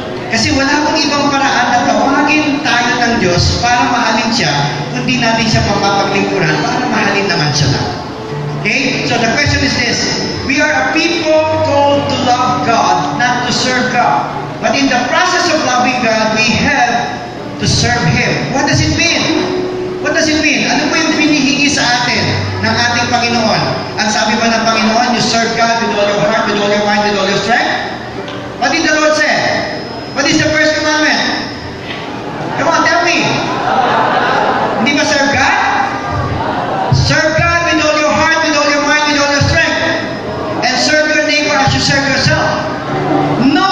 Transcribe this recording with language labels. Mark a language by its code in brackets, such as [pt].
[tl] Kasi wala pong ibang paraan na tawagin tayo ng Diyos para mahalin siya, kundi natin siya mapapaglingkuran para mahalin naman siya lang. [en] Okay? So the question is this, we are a people called to love God, not to serve God. But in the process of loving God, we have to serve Him. What does it mean? What does it mean? [tl] Ano po yung pinihingi sa atin ng ating Panginoon? Ang sabi ba ng Panginoon, [en] you serve God with all your heart, with all your mind, with all your strength? What did the Lord say? What is the first commandment? Come on, tell me. [tl] Hindi ba [en] serve God? Serve God with all your heart, with all your mind, with all your strength. And serve your neighbor as you serve yourself.